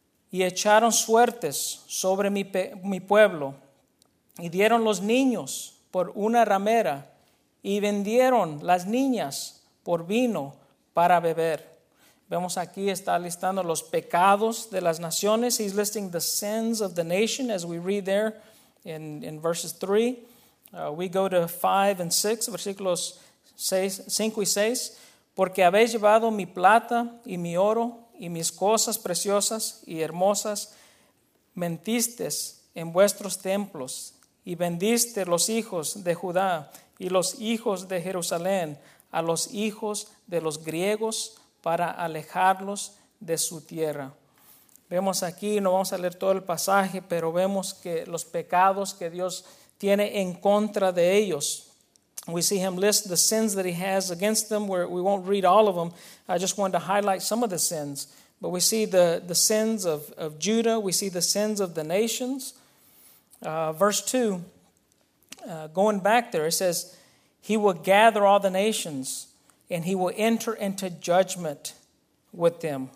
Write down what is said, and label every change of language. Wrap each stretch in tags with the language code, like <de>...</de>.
<es>Y echaron suertes sobre mi pueblo y dieron los niños por una ramera y vendieron las niñas por vino para beber. Vemos aquí está listando los pecados de las naciones.</es> <en>He's listing the sins of the nation as we read there in verses 3. We go to 5 and 6,</en> <es>versículos 5 y 6. Porque habéis llevado mi plata y mi oro y mis cosas preciosas y hermosas, mentisteis en vuestros templos y vendisteis los hijos de Judá y los hijos de Jerusalén a los hijos de los griegos, para alejarlos de su tierra. Vemos aquí, no vamos a leer todo el pasaje, pero vemos que los pecados que Dios tiene en contra de ellos.</es> <en>We see him list the sins that he has against them. We won't read all of them. I just wanted to highlight some of the sins. But we see the sins of Judah. We see the sins of the nations. Verse 2, going back there, it says, he will gather all the nations, and he will enter into judgment with them.</en>